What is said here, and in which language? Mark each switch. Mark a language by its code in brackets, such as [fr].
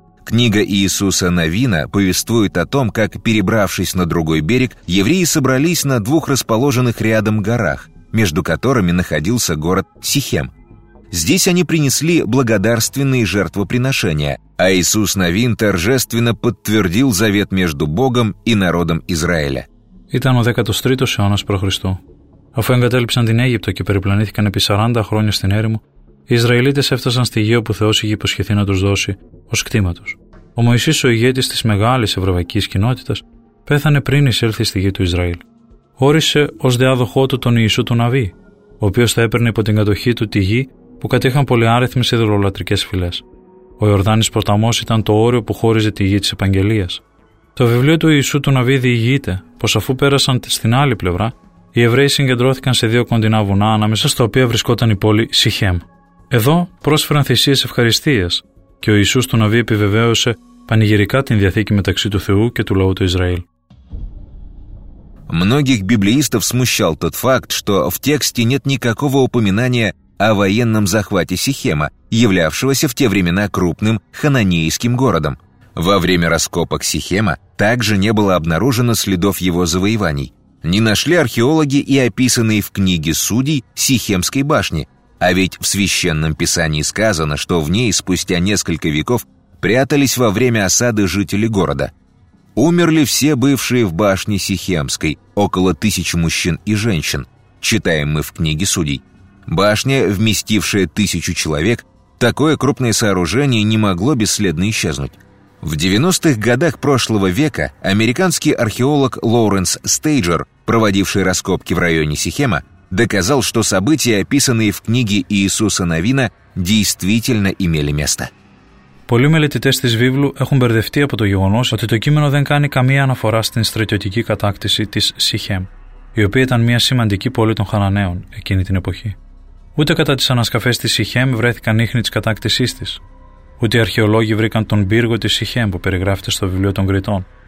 [ru] Книга Иисуса Навина повествует о том, как, перебравшись на другой берег, евреи собрались на двух расположенных рядом горах, между которыми находился город Сихем. Здесь они принесли благодарственные жертвоприношения, а Иисус Навин торжественно подтвердил завет между Богом и народом Израиля. [el] Ήταν ο 13ος αιώνας π.Χ. Αφού εγκατέλειψαν την Αίγυπτο και περιπλανήθηκαν επί 40 χρόνια στην έρημο, οι Ισραηλίτες έφτασαν στη γη όπου Θεός είχε υποσχεθεί να τους δώσει ως κτήμα τους. Ο Μωυσής, ο ηγέτης της μεγάλης ευρωπαϊκής κοινότητας, πέθανε πριν εισέλθει στη γη του Ισραήλ. Όρισε ως διάδοχό του τον Ιησού του Ναβί, ο οποίος θα έπαιρνε υπό την κατοχή του τη γη που κατέχαν πολυάριθμες ειδωλολατρικές φυλές. Ο Ιορδάνης ποταμός ήταν το όριο που χώριζε τη γη της Επαγγελίας. Το βιβλίο του Ιησού του Ναβί διηγείται πως αφού πέρασαν στην άλλη πλευρά, οι Εβραίοι συγκεντρώθηκαν σε δύο κοντινά βουνά ανάμεσα στα οποία βρισκόταν η πόλη Σιχέμ. Εδώ πρόσφεραν θυσίες ευχαριστίας και ο Ιησούς του Ναβί επιβεβαίωσε πανηγυρικά την διαθήκη μεταξύ του Θεού και του λαού του Ισραήλ. [ru] Многих библеистов смущал тот факт, что в тексте нет никакого упоминания о военном захвате Сихема, являвшегося в те времена крупным хананейским городом. Во время раскопок Сихема также не было обнаружено следов его завоеваний. Не нашли археологи и описанные в книге Судей Сихемской башни, а ведь в Священном Писании сказано, что в ней спустя несколько веков прятались во время осады жители города. Умерли все бывшие в башне Сихемской, около 1000 мужчин и женщин, читаем мы в книге Судей. Башня, вместившая 1000 человек, такое крупное сооружение не могло бесследно исчезнуть. В 90-х годах прошлого века американский археолог Лоуренс Стейджер, проводивший раскопки в районе Сихема, доказал, что события, описанные в книге Иисуса Навина, действительно имели место. [el] Πολλοί μελετητές της Βίβλου έχουν μπερδευτεί από το γεγονός ότι το κείμενο δεν κάνει καμία αναφορά στην στρατιωτική κατάκτηση της Σιχέμ, η οποία ήταν μια σημαντική πόλη των Χαναναίων εκείνη την εποχή. ούτε κατά τις ανασκαφές της Σιχέμ βρέθηκαν ίχνη της κατάκτησής της. Ούτε οι αρχαιολόγοι βρήκαν τον πύργο της Σιχέμ που περιγράφεται στο βιβλίο των Κριτών.